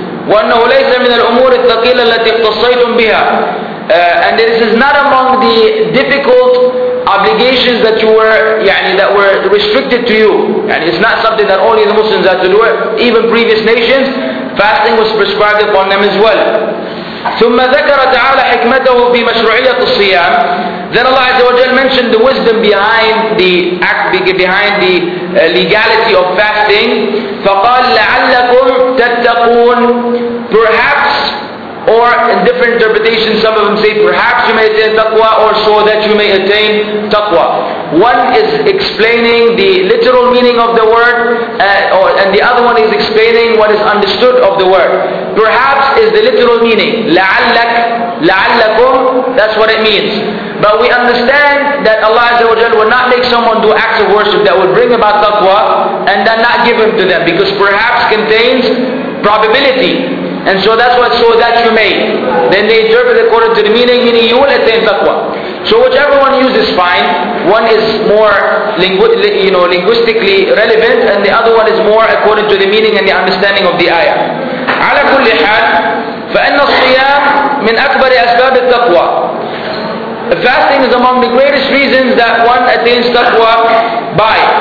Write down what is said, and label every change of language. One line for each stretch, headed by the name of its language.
Arabic: وَأَنَّهُ لَيْسَ مِنَ الْأُمُورِ الثَّقِيلَ الَّتِي اقْتَصَيْتُمْ بِهَا.
English: And this is not among the difficult obligations that you were, يعني, that were restricted to you. And it's not something that only the Muslims had to do it. Even previous nations, fasting was prescribed upon them as well.
Arabic: ثم ذكر تعالى حكمته في مشروعية الصيام.
English: Then Allah Azza wa Jalla mentioned the wisdom behind the act, behind the legality of fasting.
Arabic: فقال لعلكم تتقون.
English: Perhaps, or in different interpretations, some of them say perhaps you may attain taqwa, or so that you may attain taqwa. One is explaining the literal meaning of the word, and the other one is explaining what is understood of the word. Perhaps is the literal meaning. لعلك, لعلكم, that's what it means. But we understand that Allah Azza wa Jalla will not make someone do acts of worship that would bring about taqwa, and then not give them to them, because perhaps contains probability. And so that's what, so that you may. Then they interpret according to the meaning, meaning you will attain taqwa. So whichever one uses, fine. One is more linguistically relevant, and the other one is more according to the meaning and the understanding of the ayah.
Arabic: على كل حال فإن الصيام من أكبر أسباب التقوى.
English: Fasting is among the greatest reasons that one attains taqwa by.